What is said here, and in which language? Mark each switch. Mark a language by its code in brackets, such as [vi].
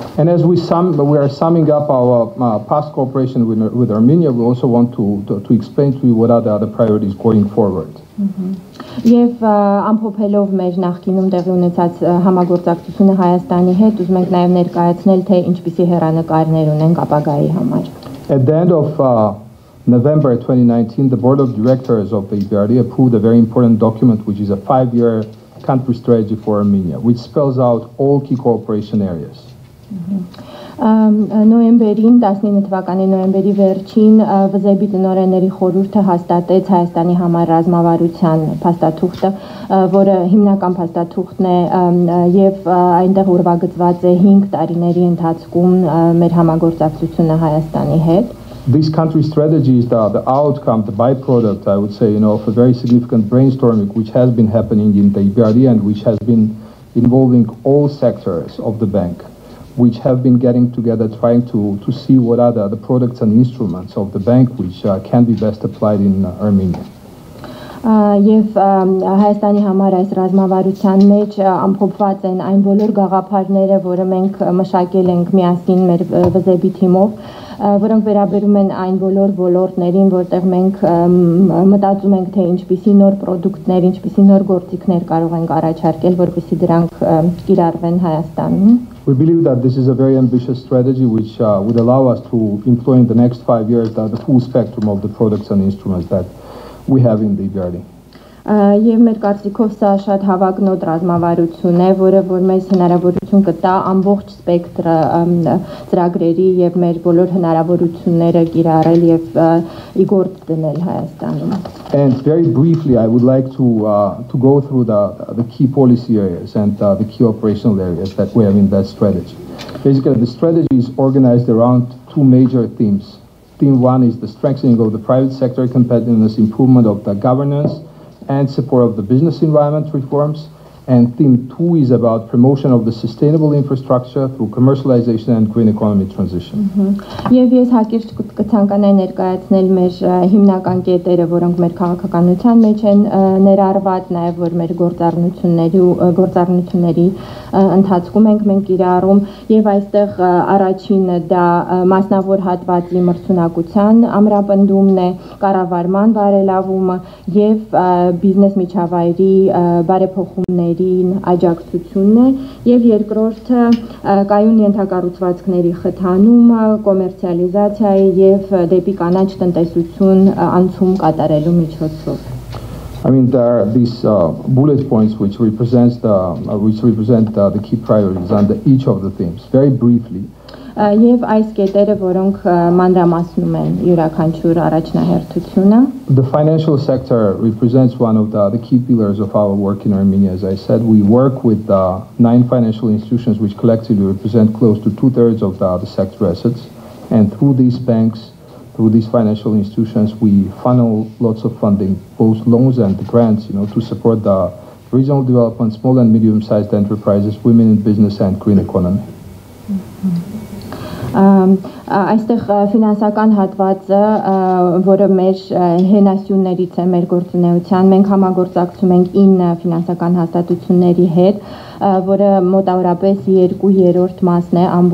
[en] And as we are summing up our past cooperation with Armenia, we also want to explain to you what are the other priorities going forward. [hy] Եվ ամփոփելով մեր նախկինում տեղի ունեցած համագործակցությունը Հայաստանի հետ, ուզում ենք նաև ներկայացնել, թե ինչպիսի հեռանկարներ ունենք ապագայի համար։ [en] At the end of November 2019, the board of directors of the EBRD approved a very important document, which is a five-year country strategy for Armenia, which spells out all key cooperation areas. [hy] Նոյեմբերին 19 թվականի նոյեմբերի վերջին ՎԶԵԲ-ի տնօրենների խորհուրդը հաստատեց Հայաստանի համար ռազմավարության փաստաթուղթը, որը հիմնական փաստաթուղթն է եւ այնտեղ ուրվագծված է 5 տարիների ընթացքում մեր համագործակցությունը Հայաստանի հետ. [en] This country strategy is the outcome, the byproduct, I would say, you know, of a very significant brainstorming which has been happening in the EBRD and which has been involving all sectors of the bank, which have been getting together trying to see what are the products and instruments of the bank which can be best applied in Armenia. [hy] Եվ Հայաստանի համար այս ռազմավարության մեջ ամփոփված են այն բոլոր գաղափարները, որը մենք մշակել ենք միասին մեր ՎԶԵԲ-ի թիմով, որոնք վերաբերում են այն բոլոր ոլորտներին, որտեղ մենք մտածում ենք, թե ինչպիսի նոր product-ներ, ինչպիսի նոր գործիքներ կարող ենք առաջարկել, որպեսզի դրանք կիրառվեն Հայաստանում. [en] We believe that this is a very ambitious strategy which would allow us to employ in the next 5 years the full spectrum of the products and instruments that we have in the EBRD. [hy] Եվ մեր կարծիքով սա շատ հավակնոտ ռազմավարություն է, որը որ մեզ հնարավորություն կտա ամբողջ սպեկտրը ծրագրերի եւ մեր բոլոր հնարավորությունները կիրառել եւ ի գործ դնել Հայաստանում. [en] And very briefly I would like to go through the key policy areas and the key operational areas that we have in that strategy. Basically the strategy is organized around two major themes. Theme one is the strengthening of the private sector competitiveness, improvement of the governance and support of the business environment reforms, and theme two is about promotion of the sustainable infrastructure through commercialization and green economy transition. [hy] Եվ ես հակիրճ կցանկանայի ներկայացնել մեր հիմնական կետերը, որոնք մեր քաղաքականության մեջ են ներառված, նաև որ մեր գործառնությունների ընթացքում ենք մենք իրարում, եւ այստեղ առաջինը դա մասնավոր հատվածի մրցունակության ամրապնդումն է, կառավարման բարելավումը եւ բիզնես միջավայրի բարեփոխումներին աջակցությունն է, եւ երկրորդը կայուն ենթակառուցվածքների խթանումը, կոմերցիալիզացիայի եւ դեպի կանաչ տնտեսություն անցում կատարելու միջոցով։ [en] I mean, there are these bullet points which represents the the key priorities under each of the themes. Very briefly. [hy] Եվ այս կետերը, որոնք մանրամասնում են յուրաքանչյուր առաջնահերթությունը. [en] The financial sector represents one of the key pillars of our work in Armenia. As I said, we work with 9 financial institutions, which collectively represent close to 2/3 of the sector assets, and through these banks. Through these financial institutions, we funnel lots of funding, both loans and grants, you know, to support the regional development, small and medium-sized enterprises, women in business, and green economy. [hy] Այստեղ ֆինանսական հատվածը, որը մեր հենասյուններից է մեր գործունեության, մենք համագործակցում ենք 9 ֆինանսական հաստատությունների հետ, որը մոտավորապես 2/3 մասն է